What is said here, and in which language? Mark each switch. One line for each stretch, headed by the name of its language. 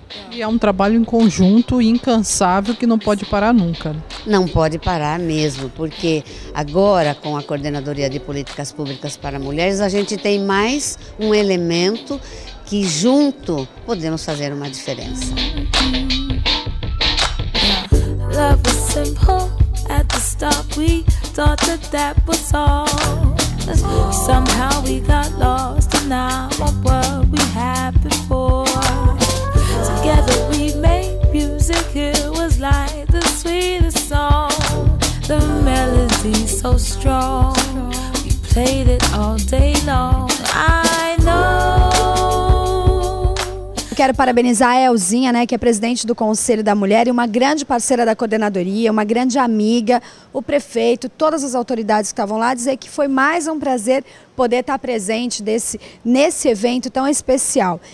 Portuguese: E é um trabalho em conjunto, incansável, que não pode parar nunca. Não pode parar mesmo, porque agora com a Coordenadoria de Políticas Públicas para Mulheres, a gente tem mais um elemento que junto podemos fazer uma diferença.
English: Love was simple at the start, we thought that that was all. Somehow we got lost and now our world we had before. Together we made music, it was like the sweetest song. The melody so strong, we played it all day long. I know.
Portuguese: Quero parabenizar a Elzinha, né, que é presidente do Conselho da Mulher e uma grande parceira da coordenadoria, uma grande amiga, o prefeito, todas as autoridades que estavam lá, dizer que foi mais um prazer poder estar presente nesse evento tão especial.